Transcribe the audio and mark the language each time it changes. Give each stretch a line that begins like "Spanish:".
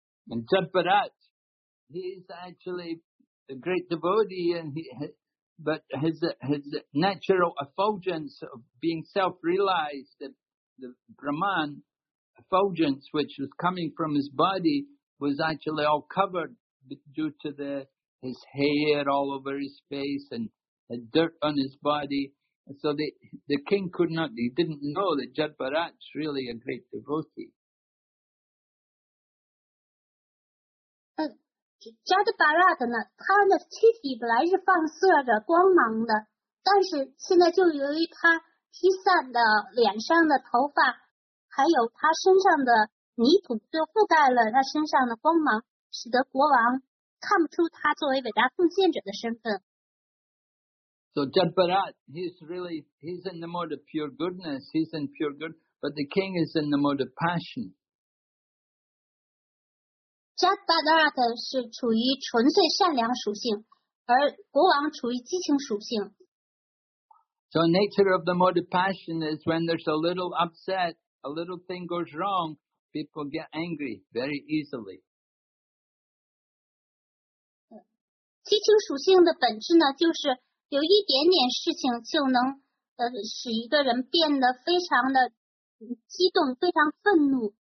English: And Jad Bharat,He's actually a great devotee, but his natural effulgence of being self-realized, the Brahman effulgence which was coming from his body was actually all covered due to his hair all over his face and the dirt on his body. So the king could not, he didn't know that Jad Bharat's really a great devotee.
Chinese: Jad Bharat 呢，他的气体本来是放射着光芒的，但是现在就由于他披散的脸上的头发，还有他身上的泥土，就覆盖了他身上的光芒，使得国王看不出他作为伟大奉献者的身份。
English: So Jad Bharat, he's in the mode of pure goodness. He's in pure good, but the king is in the mode of passion.
Chinese: Jad Bharat 是处于纯粹善良属性，而国王处于激情属性。
English: So nature of the mode of passion is when there's a little upset, a little thing goes wrong, people get angry very easily.
Chinese: 激情属性的本质呢，就是有一点点事情就能使一个人变得非常的激动，非常愤怒。